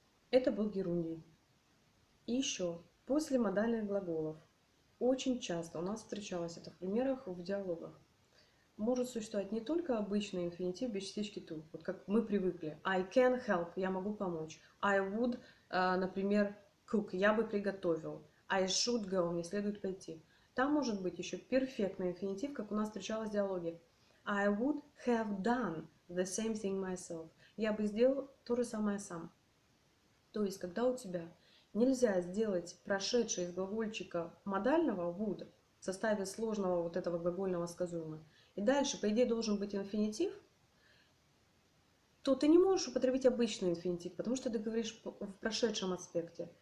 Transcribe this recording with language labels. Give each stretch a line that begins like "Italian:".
Russian: Это был герундий. И еще, после модальных глаголов, очень часто у нас встречалось это в примерах в диалогах, может существовать не только обычный инфинитив без частички to, вот как мы привыкли.
English: I can help,
Russian: я могу помочь.
English: I would,
Russian: например,
English: cook,
Russian: я бы приготовил.
English: I should go,
Russian: мне следует пойти. Там может быть еще перфектный инфинитив, как у нас встречалось в диалоге.
English: I would have done the same thing myself.
Russian: Я бы сделал то же самое сам. То есть, когда у тебя нельзя сделать прошедшее из глагольчика модального would в составе сложного вот этого глагольного сказуемого, и дальше, по идее, должен быть инфинитив, то ты не можешь употребить обычный инфинитив, потому что ты говоришь в прошедшем аспекте.